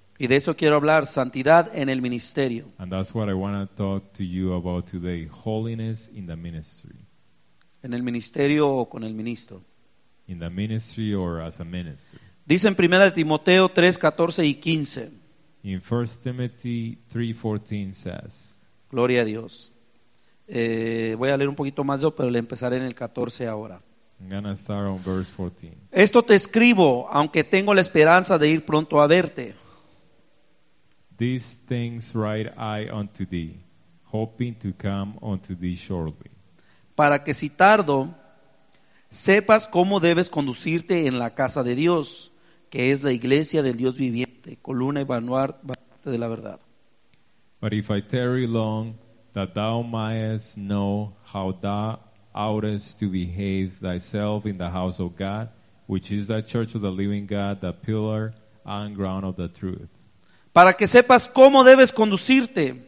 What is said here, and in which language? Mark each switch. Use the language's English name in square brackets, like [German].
[Spanish] Y de eso quiero hablar, santidad en el ministerio. [English] And that's what I want to talk to you about today, holiness in the ministry. [Spanish] En el ministerio o con el ministro. [English] In the ministry or as a minister. [Spanish] Dice en 1 Timoteo 3, 14 y 15. [English] In 1 Timothy 3, 14 says. [Spanish] Gloria a Dios. Voy a leer un poquito más, pero le empezaré en el 14 ahora. [English] I'm going to start on verse 14. [Spanish] Esto te escribo, aunque tengo la esperanza de ir pronto a verte. [English] These things write I unto thee, hoping to come unto thee shortly. [Spanish] Para que si tardo, sepas cómo debes conducirte en la casa de Dios, que es la iglesia del Dios viviente, columna y baluarte de la verdad. [English] But if I tarry long, that thou mayest know how thou oughtest to behave thyself in the house of God, which is the church of the living God, the pillar and ground of the truth. [Spanish] Para que sepas cómo debes conducirte.